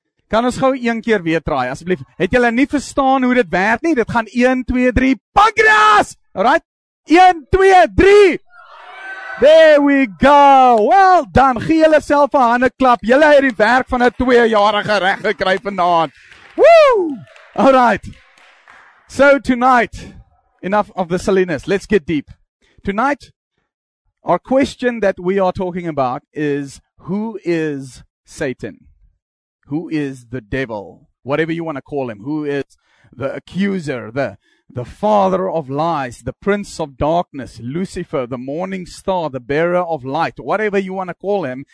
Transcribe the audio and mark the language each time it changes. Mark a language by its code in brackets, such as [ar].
[af] Kan ons gauw een keer weer traai, asblief. Het julle nie verstaan hoe dit werk nie? Dit gaan 1, 2, 3, pankreas! Right? 1, 2, 3! [en] There we go! Well done! [af] Gee julle self een hande klap. Julle het die werk van 'n 2-jarige reg gekry vanaand. [en] Woo! All right. So tonight, enough of the silliness, let's get deep. Tonight, our question that we are talking about is, who is Satan? Who is the devil? Whatever you want to call him. Who is the accuser, the father of lies, the prince of darkness, Lucifer, the morning star, the bearer of light, whatever you want to call him.